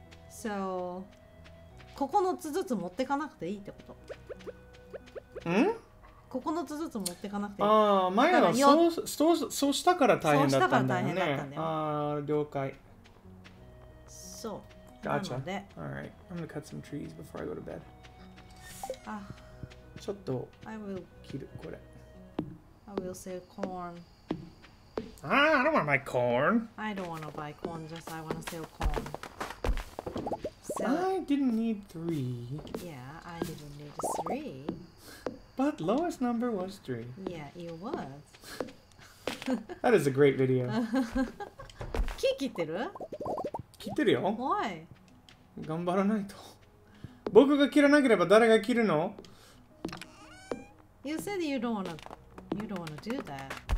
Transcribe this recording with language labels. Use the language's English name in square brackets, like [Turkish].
[Japanese] So, 9つずつ持ってかなくていいってこと。ん ?9 つずつ持ってかなくていい。ああ、前はそうしたから大変だったんだよね。ああ、了解。そう。 [English] Gotcha. Alright, I'm gonna cut some trees before I go to bed. [Japanese] ちょっと切るこれ。 [English] I will sell corn. Ah, I don't want to buy corn. I don't want to buy corn. Just I want to sell corn. Sell. I didn't need three. Yeah, I didn't need three. But lowest number was three. Yeah, it was. That is a great video. [Japanese] 木切ってる？切ってるよ。おい。頑張らないと。僕が切らなければ誰が切るの [English] ?You said you don't wanna do that.